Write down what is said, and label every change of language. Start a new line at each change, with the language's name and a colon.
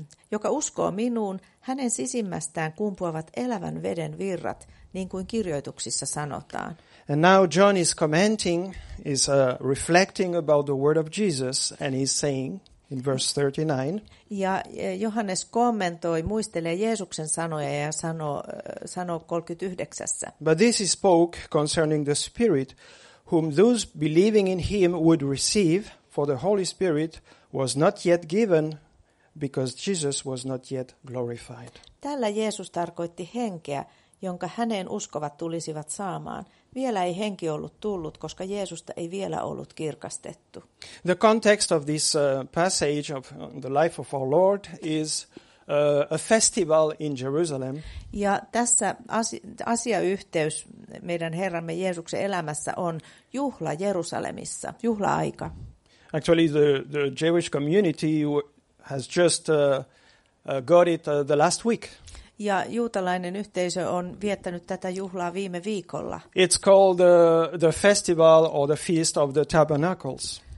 Finnish: joka uskoo minuun, hänen sisimmästään kumpuavat elävän veden virrat, niin kuin kirjoituksissa sanotaan.
English: And now John is commenting, is reflecting about the word of Jesus, and he's saying in verse 39.
Finnish: Ja Johannes kommentoi, muistelee Jeesuksen sanoja ja sanoo 39.
English: But this he spoke concerning the Spirit, whom those believing in him would receive, for the Holy Spirit was not yet given, because Jesus was not yet glorified.
Finnish: Tällä Jeesus tarkoitti henkeä, jonka häneen uskovat tulisivat saamaan. Vielä ei henki ollut tullut, koska Jeesusta ei vielä ollut kirkastettu.
English: The context of this passage of the life of our Lord is a festival in Jerusalem.
Finnish: Ja tässä asiayhteys meidän Herramme Jeesuksen elämässä on juhla Jerusalemissa, juhla-aika.
English: Actually, the Jewish community has just got it the last week.
Finnish: Ja juutalainen yhteisö on viettänyt tätä juhlaa viime viikolla.
English: It's called the festival or the feast of the tabernacles.